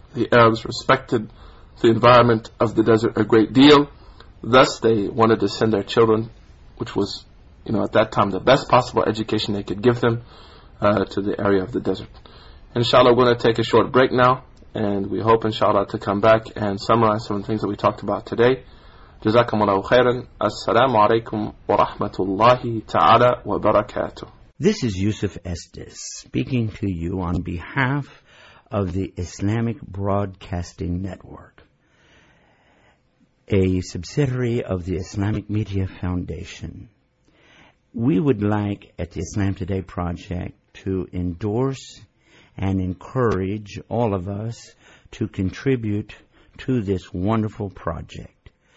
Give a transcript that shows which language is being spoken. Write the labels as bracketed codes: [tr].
[en] The Arabs respected the environment of the desert a great deal. Thus, they wanted to send their children, which was, you know, at that time the best possible education they could give them, to the area of the desert. Inshallah, we're going to take a short break now, and we hope, inshallah, to come back and summarize some of the things that we talked about today. [ar] جزاكم الله خيرا السلام عليكم ورحمة الله تعالى وبركاته. [en] This is Yusuf Estes speaking to you on behalf of the Islamic Broadcasting Network, a subsidiary of the Islamic Media Foundation. We would like at the Islam Today Project to endorse and encourage all of us to contribute to this wonderful project.